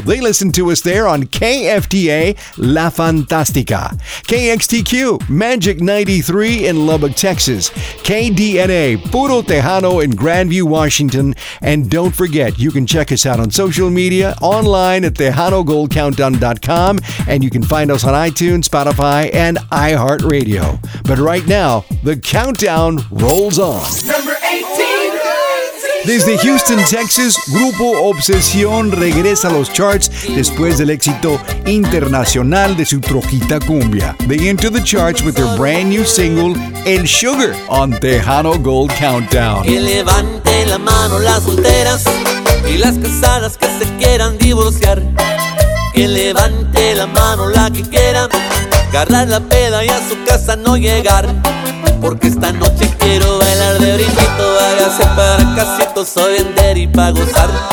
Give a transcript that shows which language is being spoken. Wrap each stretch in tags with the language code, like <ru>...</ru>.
<en>They listen to us there on KFTA La Fantastica, KXTQ Magic 93 in Lubbock, Texas, KDNA, Puro Tejano in Grandview, Washington. And don't forget, you can check us out on social media, online at TejanoGoldCountdown.com, and you can find us on iTunes, Spotify, and iHeartRadio. But right now, the countdown rolls on. Number 18!</en> <es>Desde Houston, Texas, Grupo Obsesión regresa a los charts después del éxito internacional de su Troquita Cumbia.</es> <en>They enter the charts with their brand new single, El Sugar, on Tejano Gold Countdown.</en> <es>Que levante la mano las solteras y las casadas que se quieran divorciar. Que levante la mano la que quiera agarrar la peda y a su casa no llegar. Porque esta noche quiero bailar de brinquito. Hágase para casito, soy vender y pa' gozar.</es>